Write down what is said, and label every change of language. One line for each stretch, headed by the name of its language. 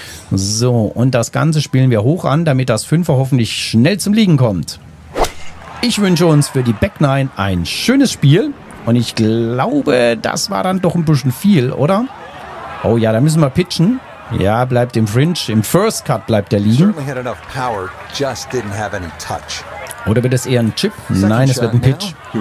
German: So, und das Ganze spielen wir hoch an, damit das 5er hoffentlich schnell zum Liegen kommt. Ich wünsche uns für die Back 9 ein schönes Spiel und ich glaube, das war dann doch ein bisschen viel, oder? Oh ja, da müssen wir pitchen. Ja, bleibt im Fringe, im First Cut bleibt er liegen.
English: Certainly had enough power, just didn't have any touch.
German: Oder wird es eher ein Chip? Nein, es wird ein Pitch.